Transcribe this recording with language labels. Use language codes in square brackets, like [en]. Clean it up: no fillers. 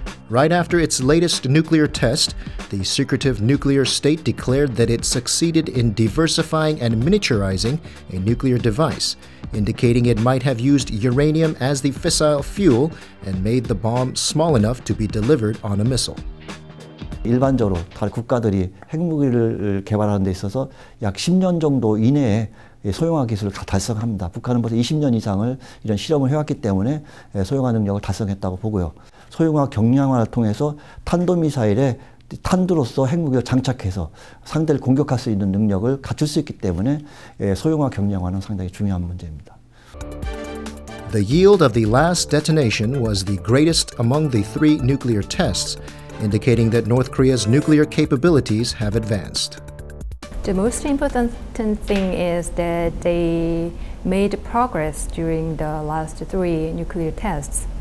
[en] Right after its latest nuclear test, the secretive nuclear state declared that it succeeded in diversifying and miniaturizing a nuclear device, indicating it might have used uranium as the fissile fuel and made the bomb small enough to be delivered on a missile. [ko] 일반적으로 다른 국가들이 핵무기를 개발하는 데 있어서 약 10년 정도 이내에 소형화 기술을 다 달성합니다. 북한은 벌써 20년 이상을 이런 실험을 해왔기 때문에 소형화 능력을 달성했다고 보고요. 소형화 경량화를 통해서 탄도미사일에 탄두로서 핵무기를 장착해서 상대를 공격할 수 있는 능력을 갖출 수 있기 때문에 소형화 경량화는 상당히 중요한 문제입니다. [en] The yield of the last detonation was the greatest among the three nuclear tests, indicating that North Korea's nuclear capabilities have advanced. The most important thing is that they made progress during the last three nuclear tests.